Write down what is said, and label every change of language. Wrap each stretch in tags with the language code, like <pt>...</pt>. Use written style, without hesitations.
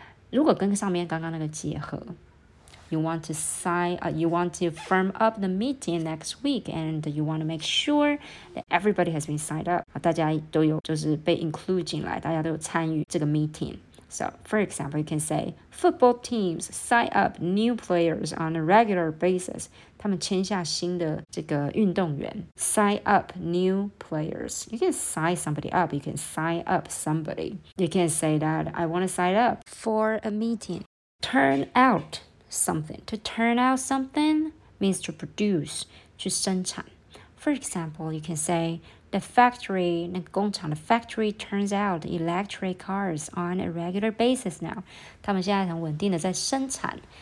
<zh>如果跟上面刚刚那个结合。</zh> <en>You want to firm up the meeting next week, and you want to make sure that everybody has been signed up.</en> <zh>大家都有就是被 include 进来，大家都有参与这个 meeting.</zh> <en>So, for example, you can say, football teams sign up new players on a regular basis.</en> <zh>他们签下新的这个运动员。</zh> <en>Sign up new players. You can sign somebody up. You can sign up somebody. You can say that, I want to sign up for a meeting. Turn out. Something. To turn out something means to produce,</en> <zh>去生产.</zh> <en>For example, you can say, the factory,</en> <zh>那个工厂,</zh> <en>the factory turns out electric cars on a regular basis now.</en> <zh>他们现在很稳定的在生产.</zh>